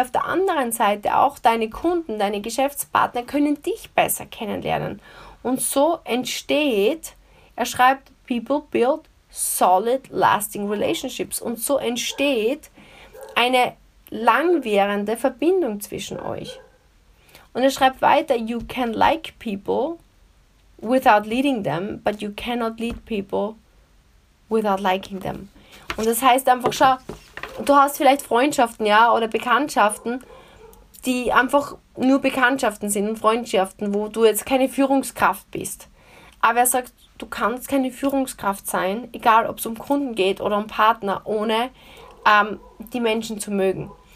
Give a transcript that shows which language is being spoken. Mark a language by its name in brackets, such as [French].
[German] Auf der anderen Seite auch deine Kunden, deine Geschäftspartner können dich besser kennenlernen. Und so entsteht, er schreibt, [English] people build solid, lasting relationships. [German] Und so entsteht eine langwährende Verbindung zwischen euch. Und er schreibt weiter, [English] you can like people without leading them, but you cannot lead people without liking them. [German] Und das heißt einfach, schau, du hast vielleicht Freundschaften, ja, oder Bekanntschaften, die einfach nur Bekanntschaften sind und Freundschaften, wo du jetzt keine Führungskraft bist. Aber er sagt, du kannst keine Führungskraft sein, egal ob es um Kunden geht oder um Partner, ohne die Menschen zu mögen.